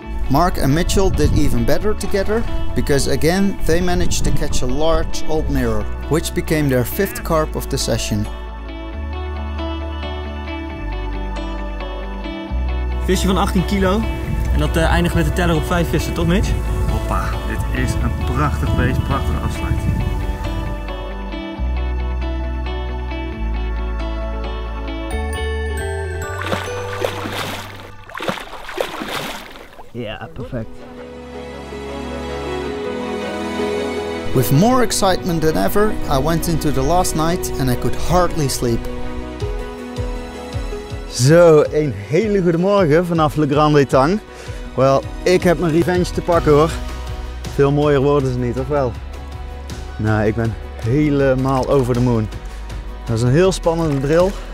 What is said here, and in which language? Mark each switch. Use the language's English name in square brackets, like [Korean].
[English] Mark and Mitchell did even better together, because again they managed to catch a large old mirror, which became their fifth carp of the session. [Dutch] Visje van 18 kilo, en dat eindigt met de teller op 5 vissen, toch Mitch? Hoppa, dit is een prachtig beest, prachtige afsluiting. [English] Yeah, perfect. With more excitement than ever, I went into the last night and I could hardly sleep. [Dutch] Zo, een hele goede morgen vanaf Le Grand Etang. Wel, ik heb mijn revanche te pakken hoor. Veel mooier worden ze niet, of wel? Nou, ik ben helemaal over de moon. Dat is een heel spannende drill.